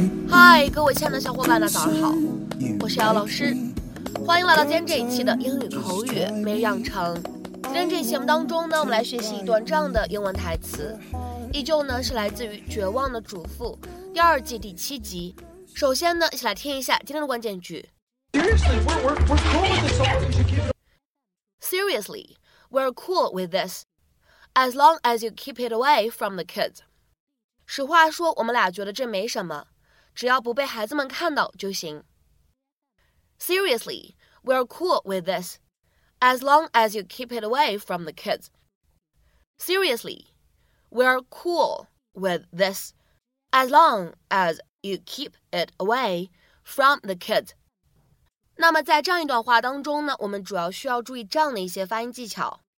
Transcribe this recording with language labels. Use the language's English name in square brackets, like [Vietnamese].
[Chinese] 嗨，各位亲爱的小伙伴们，早上好，我是姚老师，欢迎来到今天这一期的英语口语每日养成。今天这一期节目当中呢，我们来学习一段这样的英文台词，依旧呢是来自于《绝望的主妇》第二季第七集。首先呢，一起来听一下今天的关键句。 [English] Seriously, we're cool with this, as long as you keep it away from the kids. [Chinese] 实话说，我们俩觉得这没什么，只要不被孩子们看到就行。 [English] Seriously, we're cool with this, as long as you keep it away from the kids. Seriously, we're cool with this, as long as you keep it away from the kids. [Chinese] 那么在这样一段话当中呢，我们主要需要注意这样的一些发音技巧。